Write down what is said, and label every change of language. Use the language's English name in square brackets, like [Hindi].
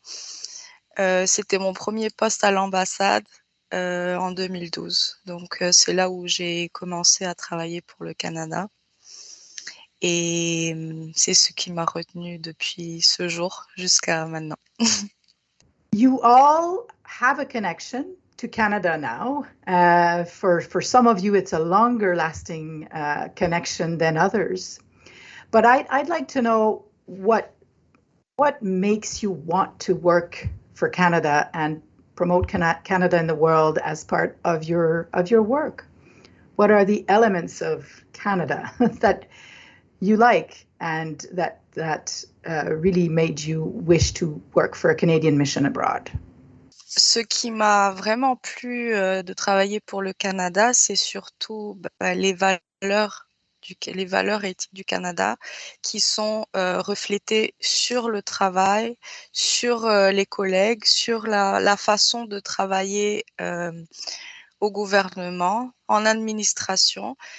[French] C'était mon premier poste à l'ambassade en 2012. Donc, c'est là où j'ai commencé à travailler pour le Canada. Et c'est ce qui m'a retenue depuis ce jour jusqu'à maintenant. [English] You all have a connection to Canada now. For some of you, it's a longer lasting connection than others. But I'd like to know what makes you want to work for Canada and promote Canada in the world as part of your work. What are the elements of Canada that you like and that really made you wish to work for a Canadian mission abroad? [French] Ce qui m'a vraiment plu de travailler pour le Canada, c'est surtout les valeurs éthiques du Canada qui sont reflétées sur le travail, sur les collègues, sur la façon de travailler au gouvernement, en administration.